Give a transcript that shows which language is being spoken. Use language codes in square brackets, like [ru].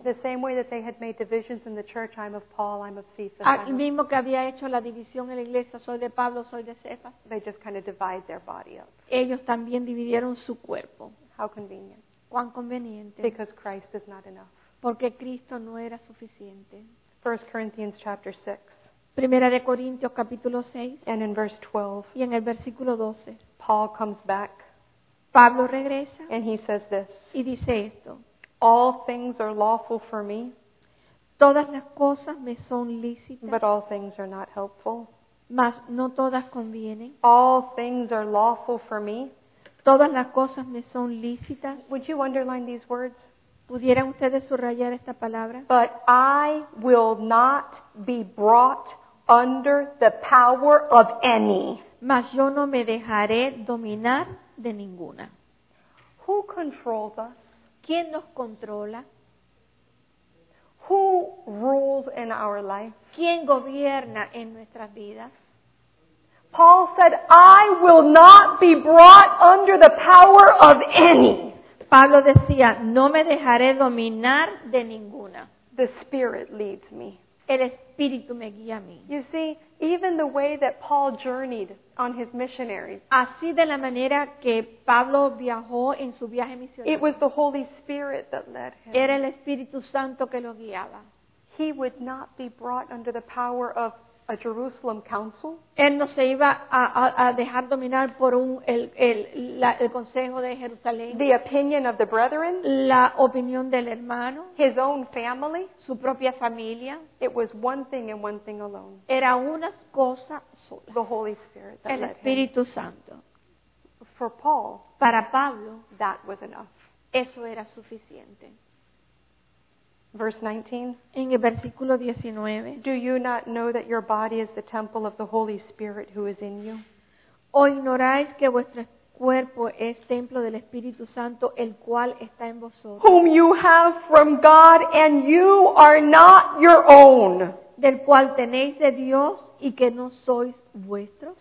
[en] The same way that they had made divisions in the church, I'm of Paul, I'm of Cephas. [es] El mismo que había hecho la división en la iglesia, soy de Pablo, soy de Cephas. [en] They just kind of divide their body up. [es] Ellos también dividieron su cuerpo. [en] How convenient. [es] Cuán conveniente. [en] Because Christ is not enough. [es] Porque Cristo no era suficiente. [en] 1 Corinthians chapter 6. [es] Primera de Corintios capítulo 6. [en] And in verse 12. [es] Y en el versículo 12. [en] Paul comes back. [es] Pablo regresa. [en] And he says this. [es] Y dice esto. [en] All things are lawful for me. [es] Todas las cosas me son lícitas. [en] But all things are not helpful. [es] Mas no todas convienen. [en] All things are lawful for me. [es] Todas las cosas me son lícitas. [en] Would you underline these words? [es] ¿Pudieran ustedes subrayar esta palabra? [en] But I will not be brought under the power of any. [es] Mas yo no me dejaré dominar de ninguna. [en] Who controls us? [es] ¿Quién nos controla? [en] Who rules in our life? [es] ¿Quién gobierna en nuestras vidas? [en] Paul said, I will not be brought under the power of any. [es] Pablo decía, no me dejaré dominar de ninguna. [en] The Spirit leads me. [es] El Espíritu me guía a mí. [en] You see, even the way that Paul journeyed on his missionaries, [es] así de la manera que Pablo viajó en su viaje misionero, [en] it was the Holy Spirit that led him. [es] Era el Espíritu Santo que lo guiaba. [en] He would not be brought under the power of a Jerusalem council. [es] Él no se iba a dejar dominar por el consejo de Jerusalén. [en] The opinion of the brethren. [es] La opinión del hermano. [en] His own family. [es] Su propia familia. [en] It was one thing and one thing alone. [es] Era una cosa sola. [en] The Holy Spirit. That [es] el Espíritu Santo. [en] For Paul. [es] Para Pablo. [en] That was enough. [es] Eso era suficiente. [en] Verse 19. [es] En el versículo 19. [en] Do you not know that your body is the temple of the Holy Spirit who is in you? [es] ¿O ignoráis que vuestro cuerpo es templo del Espíritu Santo, el cual está en vosotros? [en] Whom you have from God and you are not your own. [es] Del cual tenéis de Dios y que no sois vuestros.